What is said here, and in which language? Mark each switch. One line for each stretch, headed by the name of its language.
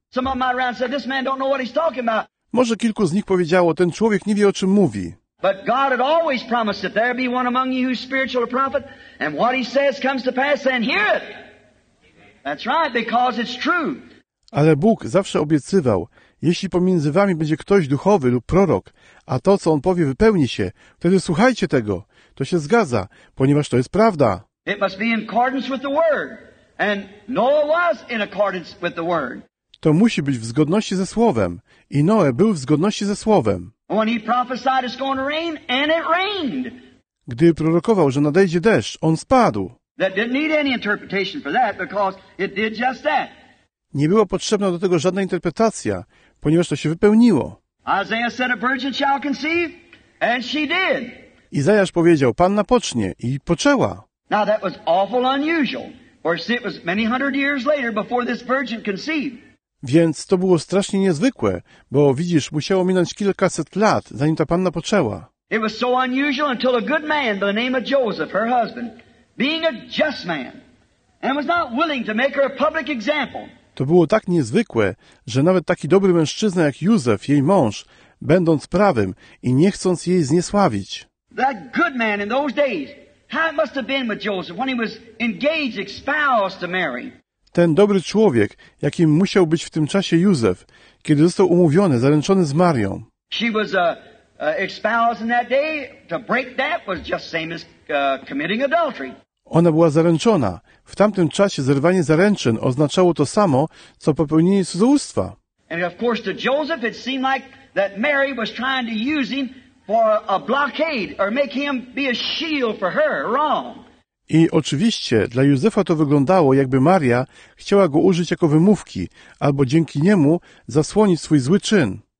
English: Some of my friends said, this man don't know what he's talking about.
Polish: Może kilku z nich powiedziało, ten człowiek nie wie, o czym mówi.
English: But God had always promised that there be one among you who's spiritual a prophet, and what he says comes to pass, then hear it. That's right, because it's true.
Polish: Ale Bóg zawsze obiecywał, jeśli pomiędzy wami będzie ktoś duchowy lub prorok, a to, co on powie, wypełni się, wtedy słuchajcie tego. To się zgadza, ponieważ to jest prawda.
English: It must be in accordance with the word. And Noah was in accordance with the word.
Polish: To musi być w zgodności ze Słowem. I Noe był w zgodności ze Słowem.
English: When he prophesied it's going to rain, and it rained.
Polish: Gdy prorokował, że nadejdzie deszcz, on spadł.
English: That didn't need any interpretation for that, because it did just that.
Polish: Nie była potrzebna do tego żadna interpretacja, ponieważ to się wypełniło.
English: Isaiah said, a virgin shall conceive, and she did.
Polish: Izajasz powiedział, Panna pocznie, i poczęła.
English: Now that was awful unusual, for it was many hundred years later before this virgin conceived.
Polish: Więc to było strasznie niezwykłe, bo widzisz, musiało minąć kilkaset lat, zanim ta panna poczęła.
English: It was so unusual until a good man by the name of Joseph, her husband, being a just man, and was not willing to make her a public example.
Polish: To było tak niezwykłe, że nawet taki dobry mężczyzna jak Józef, jej mąż, będąc prawym i nie chcąc jej zniesławić.
English: That good man in those days, how it must have been with Joseph when he was engaged, espoused to Mary.
Polish: Ten dobry człowiek, jakim musiał być w tym czasie Józef, kiedy został umówiony, zaręczony z Marią.
English: She was espoused in that day. To break that was just same as committing adultery.
Polish: Ona była zaręczona. W tamtym czasie zerwanie zaręczyn oznaczało to samo, co popełnienie cudzołóstwa.
English: And of course to Joseph it seemed like that Mary was trying to use him for a blockade or make him be a shield for her wrong.
Polish: I oczywiście dla Józefa to wyglądało, jakby Maria chciała go użyć jako wymówki, albo dzięki niemu zasłonić swój zły czyn.